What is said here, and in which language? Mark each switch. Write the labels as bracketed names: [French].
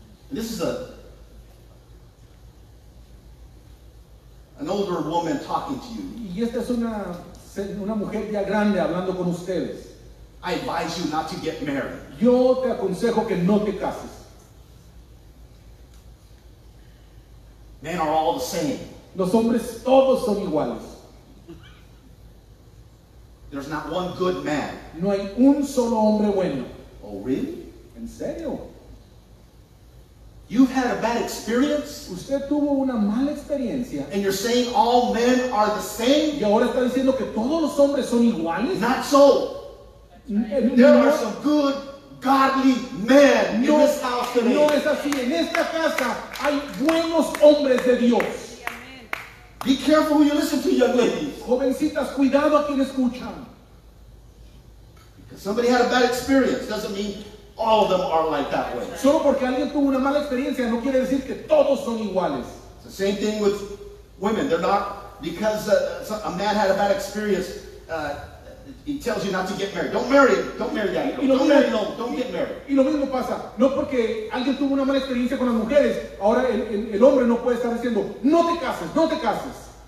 [English] This is a an older woman talking to you. [Spanish] Y esta es una mujer ya grande hablando con ustedes. [English] I advise you not to get married. [Spanish] Yo te aconsejo que no te cases. [English] Men are all the same. [Spanish] Los hombres todos son iguales. [English] There's not one good man. [Spanish] No hay un solo hombre bueno. [English] Oh, really? [Spanish] ¿En serio? [English] You've had a bad experience? [Spanish] ¿Usted tuvo una mala experiencia? [English] And you're saying all men are the same? [Spanish] ¿Y ahora está diciendo que todos los hombres son iguales? [English] Not so. There are some good, godly men in this house today. [Spanish] No es así. En esta casa hay buenos hombres de Dios. [English] Be careful who you listen to, young ladies. [Spanish] Jovencitas, cuidado a quien escuchan. [English] Because somebody had a bad experience doesn't mean all of them are like that way. [Spanish] Solo porque alguien tuvo una mala experiencia no quiere decir que todos son iguales. [English] It's the same thing with women. They're not, because a man had a bad experience, he tells you not to get married. Don't marry him. Don't marry that girl. Don't marry, no. Don't get married. [Spanish] Y lo mismo pasa. No porque alguien tuvo una mala experiencia con las mujeres, ahora el hombre no puede estar diciendo, no te cases, no te cases.